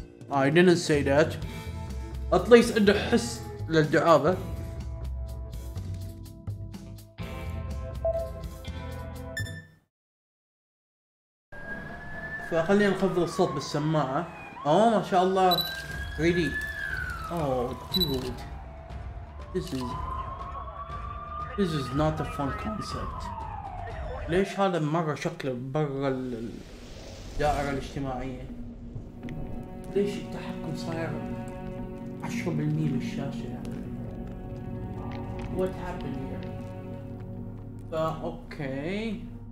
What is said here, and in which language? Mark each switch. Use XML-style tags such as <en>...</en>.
<en>I didn't say that. At least</en> <ar>عنده حس للدعابة. فخلينا نخفض الصوت بالسماعة.</ar> <en>Oh, mashallah, really? Oh, dude, this is not a fun concept.</en> <ar>ليش هذا مرة شكله برا الدائرة الاجتماعية؟ ليش التحكم صاير 10% من الشاشة؟</ar> <en>What happened here? Okay.</en>